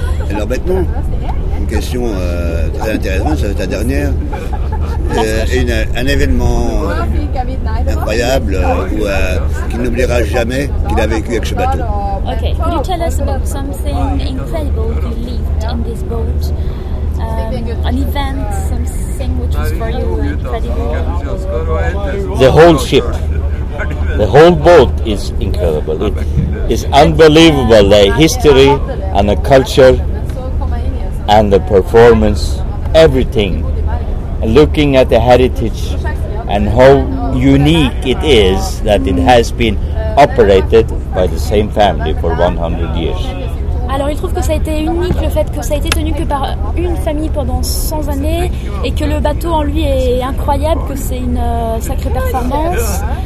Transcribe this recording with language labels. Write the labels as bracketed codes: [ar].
[fr] Alors maintenant, une question très intéressante, c'est ta dernière. Un événement incroyable qu'il n'oubliera jamais qu'il a vécu avec ce bateau. Ok. [en] Could you tell us about something incredible you lived in this boat? An event, something which was for you incredible? The whole ship. The whole boat is incredible. It is unbelievable, the history and the culture and the performance, everything. Looking at the heritage and how unique it is that it has been operated by the same family for 100 years. [fr] Alors, il trouve que ça a été unique, le fait que ça a été tenu que par une famille pendant 100 années et que le bateau en lui est incroyable, que c'est une sacrée performance.